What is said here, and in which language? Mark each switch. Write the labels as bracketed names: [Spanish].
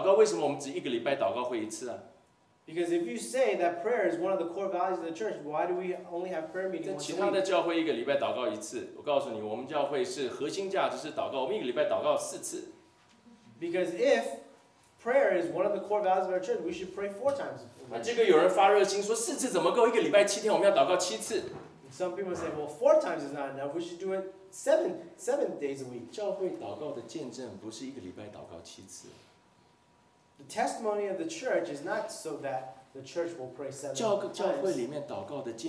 [Chinese] 要不然的话，你说教会的核心价值是祷告，为什么我们只一个礼拜祷告会一次啊？ [English] Because if you say that prayer is one of the core values of the church, why do we only have prayer meeting once a week? [Chinese] 在其他的教会一个礼拜祷告一次，我告诉你，我们教会是核心价值是祷告，我们一个礼拜祷告四次。 [English] Because if prayer is one of the core values of our church, we should pray four times. [Chinese] 这个有人发热心说四次怎么够？一个礼拜七天，我们要祷告七次。 [English] Some people say, well, four times is not enough. We should do it seven days a week. [Chinese] 教会祷告的见证不是一个礼拜祷告七次。 [English] The testimony of the church is not so that the church will pray seven times.